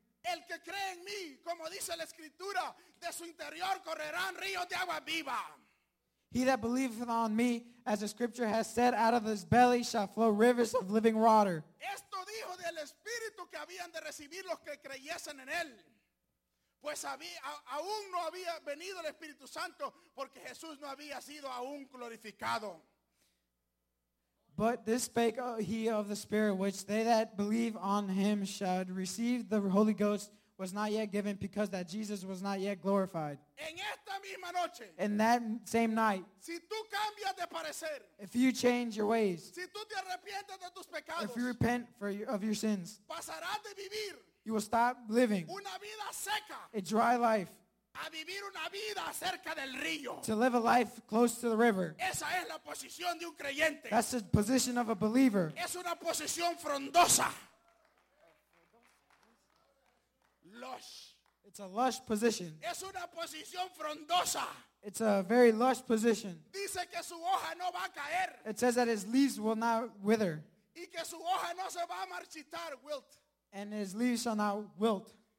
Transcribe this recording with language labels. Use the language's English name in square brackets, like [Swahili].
[Spanish] El que cree en mí, como dice la Escritura, de su interior correrán ríos de agua viva. [English] He that believeth on me, as the Scripture has said, out of his belly shall flow rivers of living water. [Spanish] Esto dijo del Espíritu que habían de recibir los que creyesen en él. Pues aún no había venido el Espíritu Santo, porque Jesús no había sido aún glorificado. [English] But this spake he of the Spirit, which they that believe on him shall receive the Holy Ghost, was not yet given, because that Jesus was not yet glorified. [Spanish] En esta misma noche, [English] in that same night, [Spanish] si tú cambias de parecer, [English] if you change your ways, [Spanish] si tú te arrepientes de tus pecados, [English] if you repent of your sins, [Spanish] pasarás de vivir, [English] you will stop living [Spanish] una vida seca, [English] a dry life, [Spanish] a vivir una vida cerca del río. [English] To live a life close to the river. [Spanish] Esa es la posición de un creyente. [English] That's the position of a believer. [Spanish] Es una posición frondosa. [English] Lush. It's a lush position. [Spanish] Es una posición frondosa. [English] It's a very lush position. [Spanish] Dice que su hoja no va a caer. [English] It says that his leaves will not wither. [Spanish] Y que su hoja no se va a marchitar, wilt. [English] And his leaves shall not wilt.